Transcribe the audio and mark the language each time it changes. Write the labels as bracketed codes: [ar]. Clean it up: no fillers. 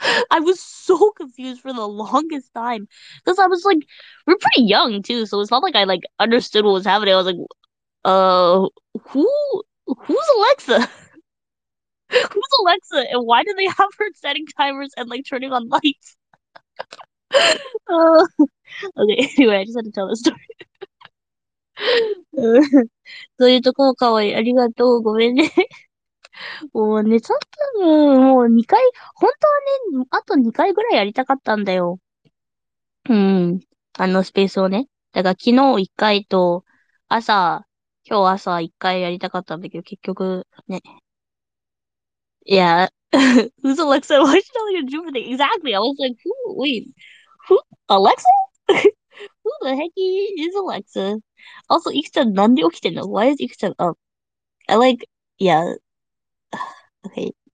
[en] I was so confused for the longest time because I was like, we're pretty young too, so it's not like I like understood what was happening. I was like, who's Alexa? Who's Alexa, and why do they have her setting timers and like turning on lights? Okay, anyway, I just had to tell this story. [ja] そういうとこもかわいい。ありがとう。ごめんね。もう寝ちゃったの。もう2回、本当はね、あと2回ぐらいやりたかったんだよ。スペースをね。だから昨日1回と、今日朝1回やりたかったんだけど、結局、ね。 [en] いや、Who's Alexa? Why is she telling you to do everything? Exactly! I was like, who? Wait. Who? Alexa? Who the heck is Alexa? Also, Ikuta, [ja] nande okite no? [en] Why is Ikuta up? I like, yeah. Okay.